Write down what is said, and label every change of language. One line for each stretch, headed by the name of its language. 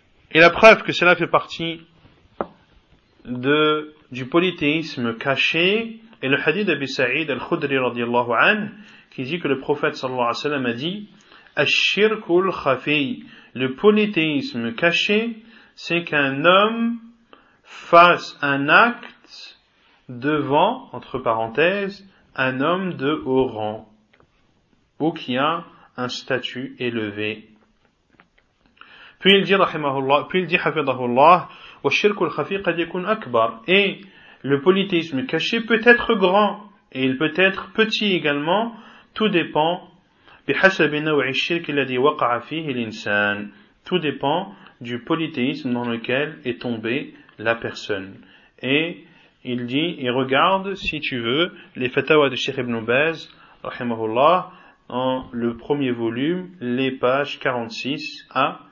French: Et la preuve que cela fait partie du polythéisme caché, et le hadith d'Abi Saïd al-Khudri radiyallahu anhu, qui dit que le prophète sallallahu alayhi wa sallam a dit,
Arabic: Ash-shirkul khafi,
French: le polythéisme caché, c'est qu'un homme fasse un acte devant, entre parenthèses, un homme de haut rang, ou qui a un statut élevé. Puis il dit, hafidhahullah,
Arabic: والشرك الخفي قد يكون أكبر.
French: Et le polythéisme caché peut être grand et il peut être petit également. Tout dépend.
Arabic: بحسب نوع الشرك الذي وقع فيه الإنسان.
French: Tout dépend du polythéisme dans lequel est tombée la personne. Et il dit, et regarde si tu veux les fatawas de Cheikh Ibn Baz, rahimahullah, en le premier volume, les pages 46 à